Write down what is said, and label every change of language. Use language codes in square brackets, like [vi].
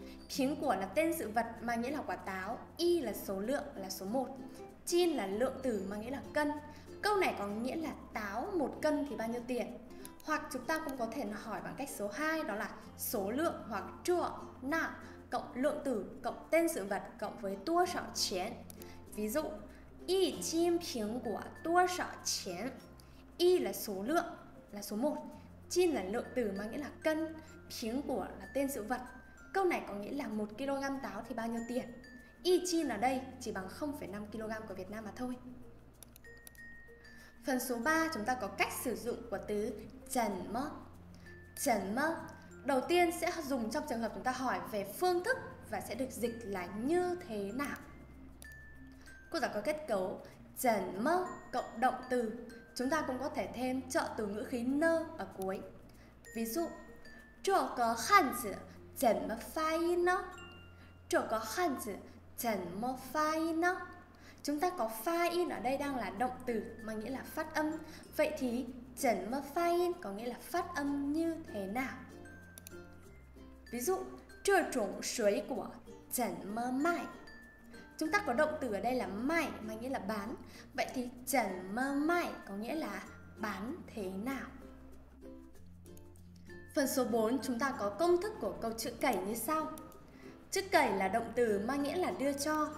[vi] 苹果 là tên sự vật mà nghĩa là quả táo. Y là số lượng, là số 1. Chín là lượng từ mà nghĩa là cân. Câu này có nghĩa là táo 1 cân thì bao nhiêu tiền. Hoặc chúng ta cũng có thể hỏi bằng cách số 2, đó là số lượng hoặc trụ nạ cộng lượng từ cộng tên sự vật cộng với tua sỏ chén. Ví dụ [zh] 一斤苹果多少钱? [vi] Y là số lượng, là số 1. Chín là lượng từ mà nghĩa là cân. Phiến của là tên sự vật. Câu này có nghĩa là 1kg táo thì bao nhiêu tiền. Y chín ở đây chỉ bằng 0,5kg của Việt Nam mà thôi. Phần số 3 chúng ta có cách sử dụng của từ chẩn mơ. Chẩn mơ đầu tiên sẽ dùng trong trường hợp chúng ta hỏi về phương thức và sẽ được dịch là như thế nào. Cô giáo có kết cấu chẩn mơ cộng động từ. Chúng ta cũng có thể thêm trợ từ ngữ khí nơ ở cuối. Ví dụ, [zh] 这个汉字怎么发音呢? 这个汉字怎么发音呢? [vi] Chúng ta có fa in ở đây đang là động từ mà nghĩa là phát âm. Vậy thì [zh] 怎么发音 [vi] có nghĩa là phát âm như thế nào? [zh] Ví dụ, 这种水果怎么卖? [vi] Chúng ta có động từ ở đây là mày, mà nghĩa là bán. Vậy thì chẩn mơ mày có nghĩa là bán thế nào. Phần số 4 chúng ta có công thức của câu chữ cẩy như sau. Chữ cẩy là động từ mà nghĩa là đưa cho.